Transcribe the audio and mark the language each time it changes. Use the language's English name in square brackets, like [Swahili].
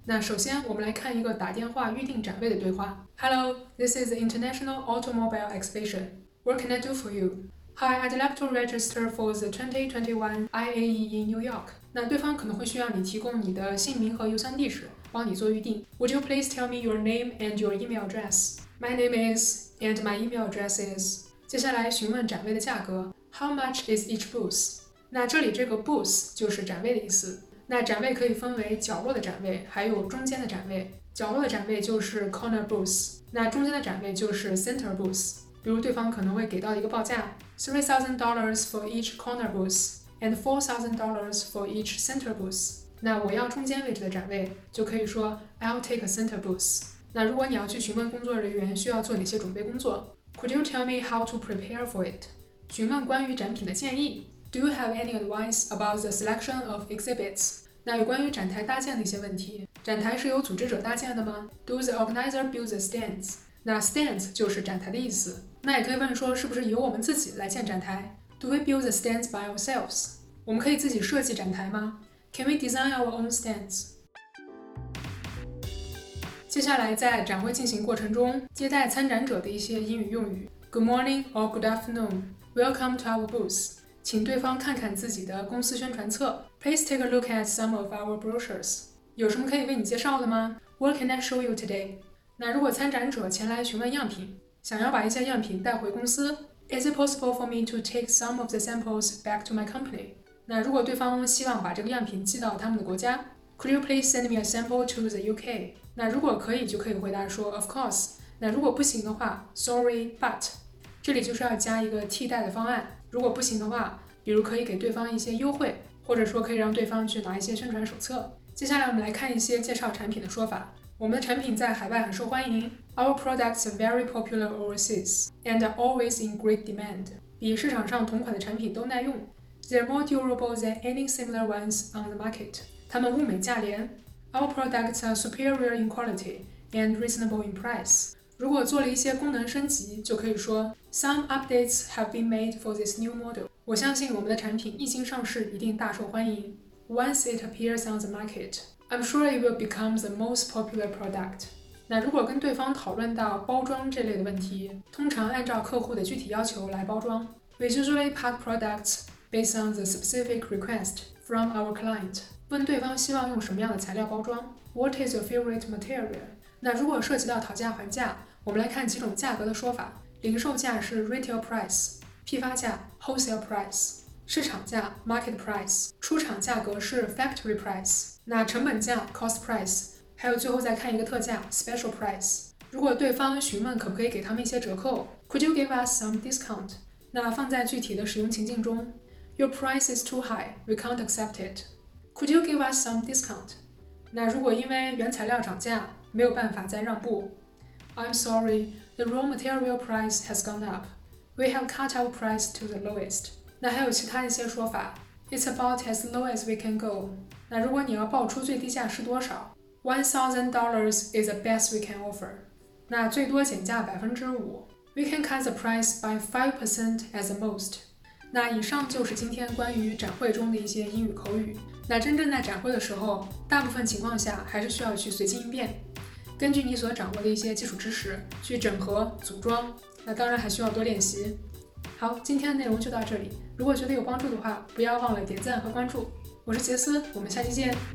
[Chinese] 那首先我们来看一个打电话预定展位的对话。 [English] Hello, this is the International Automobile Exhibition. What can I do for you? Hi, I'd like to register for the 2021 IAE in New York. [Chinese] 那对方可能会需要你提供你的姓名和邮箱地址，帮你做预定。 [English] Would you please tell me your name and your email address? My name is, and my email address is... [Chinese] 接下来询问展位的价格。 [English] How much is each booth? [Chinese] 那这里这个 booth 就是展位的意思。那展位可以分为角落的展位还有中间的展位。角落的展位就是 corner booth， 那中间的展位就是 center booth。比如对方可能会给到一个报价， [English] $3,000 for each corner booth and $4,000 for each center booth。 [Chinese] 那我要中间位置的展位，就可以说 [English] I'll take a center booth。 [Chinese] 那如果你要去询问工作人员需要做哪些准备工作， [English] Could you tell me how to prepare for it? [Chinese] 询问关于展品的建议。 [English] Do you have any advice about the selection of exhibits? [Chinese] 那有关于展台搭建的一些问题。展台是由组织者搭建的吗？ [English] Do the organizer build the stands? [Chinese] 那 stands 就是展台的意思。那也可以问说是不是由我们自己来建展台。 [English] Do we build the stands by ourselves? [Chinese] 我们可以自己设计展台吗？ [English] Can we design our own stands? [Chinese] 接下来在展会进行过程中，接待参展者的一些英语用语。 [English] Good morning or good afternoon. Welcome to our booth. [Chinese] 请对方看看自己的公司宣传册。 [English] Please take a look at some of our brochures. [Chinese] 有什么可以为你介绍的吗？ [English] What can I show you today? [Chinese] 那如果参展者前来询问样品，想要把一些样品带回公司， [English] Is it possible for me to take some of the samples back to my company? [Chinese] 那如果对方希望把这个样品寄到他们的国家， [English] Could you please send me a sample to the UK? [Chinese] 那如果可以就可以回答说 [English] of course， [Chinese] 那如果不行的话 [English] sorry but， [Chinese] 这里就是要加一个替代的方案。如果不行的话，比如可以给对方一些优惠，或者说可以让对方去拿一些宣传手册。接下来我们来看一些介绍产品的说法。我们的产品在海外很受欢迎。 [English] Our products are very popular overseas and are always in great demand. [Chinese] 比市场上同款的产品都耐用。 [English] They're more durable than any similar ones on the market. [Chinese] 它们物美价廉。 [English] Our products are superior in quality and reasonable in price. [Chinese] 如果做了一些功能升级，就可以说 [English] Some updates have been made for this new model. [Chinese] 我相信我们的产品一经上市一定大受欢迎。 [English] Once it appears on the market,I'm sure it will become the most popular product. [Chinese] 那如果跟对方讨论到包装这类的问题，通常按照客户的具体要求来包装。 [English] We usually pack products based on the specific request from our client. [Chinese] 问对方希望用什么样的材料包装。 [English] What is your favorite material? [Chinese] 那如果涉及到讨价还价，我们来看几种价格的说法。零售价是 retail price, 批发价 wholesale price, 市场价 market price, 出厂价格是 factory price,那成本价 cost price, 还有最后再看一个特价 special price。如果对方询问可不可以给他们一些折扣， [English] Could you give us some discount? [Chinese] 那放在具体的使用情境中， [English] Your price is too high, we can't accept it. Could you give us some discount? [Chinese] 那如果因为原材料涨价没有办法再让步， [English] I'm sorry, the raw material price has gone up. We have cut our price to the lowest. [Chinese] 那还有其他一些说法， [English] It's about as low as we can go. [Chinese] 那如果你要报出最低价是多少？ [English] $1,000 is the best we can offer. [Chinese] 那最多减价 5%. [English] We can cut the price by 5% at the most. [Chinese] 那以上就是今天关于展会中的一些英语口语。那真正在展会的时候，大部分情况下还是需要去随机应变，根据你所掌握的一些基础知识去整合组装，那当然还需要多练习。好，今天的内容就到这里，如果觉得有帮助的话，不要忘了点赞和关注。我是杰斯，我们下期见。